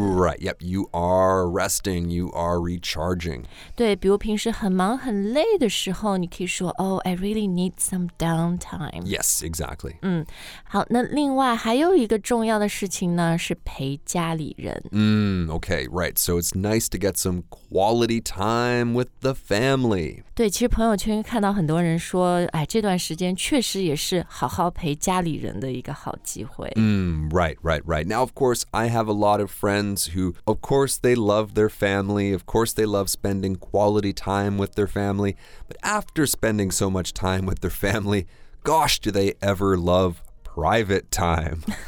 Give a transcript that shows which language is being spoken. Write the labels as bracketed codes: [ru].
[en] Right. Yep. You are resting. You are recharging. [zh] 对，比如平时很忙很累的时候，你可以说 ， [en] Oh, I really need some downtime. Yes, exactly. [zh] 好，那另外还有一个重要的事情呢，是陪家里人。 [en] Okay. Right. So it's nice to get some quality time with the family. [zh] 对，其实朋友圈看到很多人说，哎，这段时间确实也是好好陪家里人的一个好机会。 [en] Right, right, right. Now, of course, I have a lot of friends who, of course, they love their family. Of course, they love spending quality time with their family. But after spending so much time with their family, gosh, do they ever love private time?